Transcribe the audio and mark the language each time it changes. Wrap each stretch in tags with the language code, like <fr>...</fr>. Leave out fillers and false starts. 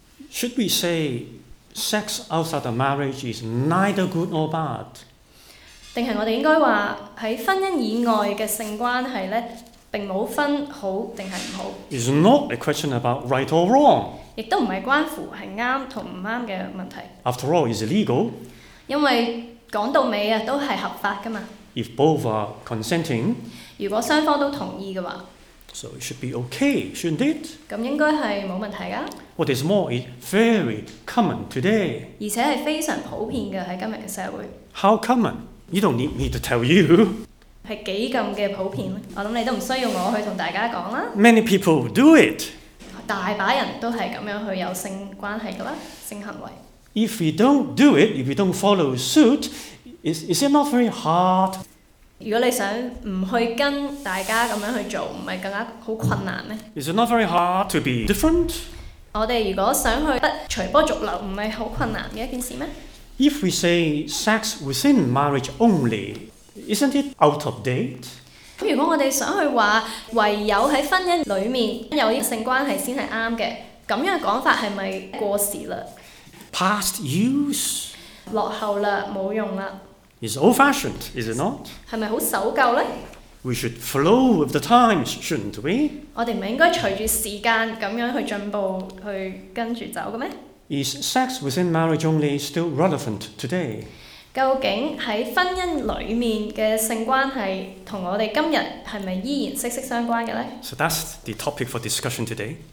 <en>？Should we say sex outside of marriage is neither good nor bad?</en> <yue>定係我哋應該話喺婚姻以外嘅性關係咧，並冇分好定係唔好。</yue> <en>It's not a question about right or wrong。</en> <yue>亦都唔係關乎係啱同唔啱嘅問題。</yue> <en>After all, it's legal。</en> <yue>因為講到尾啊，都係合法噶嘛。</yue> <en>If both are consenting。</en> <yue>如果雙方都同意嘅話。</yue> <en>So it should be okay, shouldn't it?</en> <yue>咁應該係冇問題噶。</yue> <en>What is more, it's very common today。</en> <yue>而且係非常普遍嘅喺今日嘅社會。</yue> <en>How common? You don't need me to tell you.</en> <yue>係幾咁嘅普遍，我諗你都唔需要我去同大家講啦。</yue> <en>Many people do it.</en> <yue>大把人都係咁樣去有性關係噶啦，性行為。</yue> <en>If we don't do it, if we don't follow suit, is it not very hard?</en> <yue>如果你想唔去跟大家咁樣去做，唔係更加好困難咩</yue> <en>？Is it not very hard to be different?</en> <yue>我哋如果想去不隨波逐流，唔係好困難嘅一件事咩？</yue> <en>If we say sex within marriage only, isn't it out of date?</en> <yue>如果我哋想去話唯有喺婚姻裡面有性關係先係啱嘅，咁樣講法係咪過時啦</yue> <en>？Past use.</en> <yue>落後啦，冇用啦。</yue> <en>It's old-fashioned, is it not?</en> <yue>係咪好守舊咧</yue> <en>？We should flow with the times, shouldn't we?</en> <yue>我哋唔應該隨住時間咁樣去進步，去跟住走嘅咩？</yue> <en>Is sex within marriage only still relevant today?</en> <yue>究竟喺婚姻裡面嘅性關係同我哋今日係咪依然息息相關嘅咧</yue> <en>？So that's the topic for discussion today.</en>